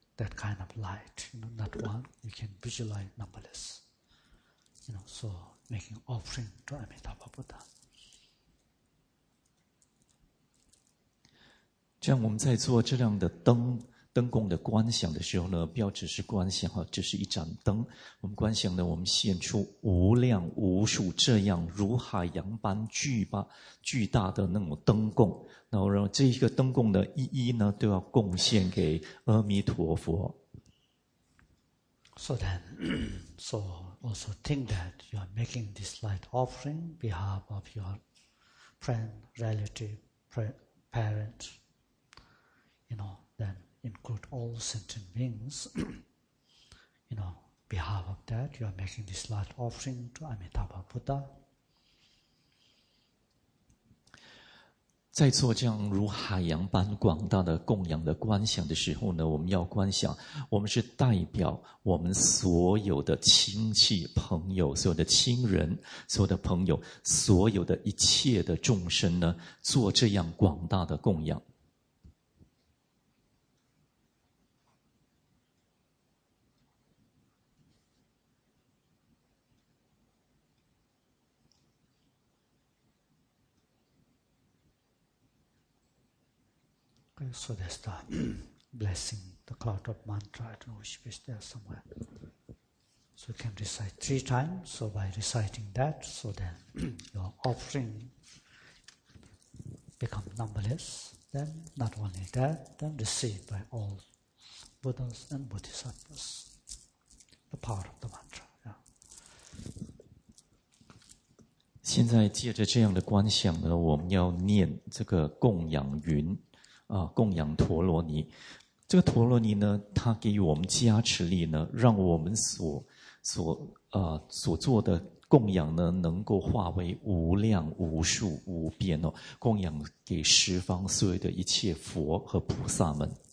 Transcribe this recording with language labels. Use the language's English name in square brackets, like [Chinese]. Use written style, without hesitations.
[English] That kind of light, you know, not one, you can visualize numberless. You know, so making offering to Amitabha Buddha. [Chinese] 这样我们在做这样的灯灯供的观想的时候呢，不要只是观想哈，只是一盏灯。我们观想呢，我们现出无量无数这样如海洋般巨大的那种灯供。然后这一个灯供的一一呢，都要贡献给阿弥陀佛。 [English] So then, so also think that you are making this light offering on behalf of your friend, relative, parent, you know, then. Include all sentient beings, you know, behalf of that, you are making this light offering to Amitabha Buddha. [Chinese] 在做这样如海洋般广大的供养的观想的时候呢，我们要观想，我们是代表我们所有的亲戚朋友，所有的亲人，所有的朋友，所有的一切的众生呢，做这样广大的供养。 [English] So that's the blessing, the cloud of mantra, I don't know if it's there somewhere. So you can recite three times, so by reciting that, so then your offering become numberless, then not only that, then received by all Buddhas and Bodhisattvas, the power of the mantra. [Chinese] 现在借着这样的观想呢，我们要念这个供养云，啊，供养陀罗尼。这个陀罗尼呢，它给予我们加持力呢，让我们所做的供养呢，能够化为无量无数无边哦，供养给十方所有的一切佛和菩萨们。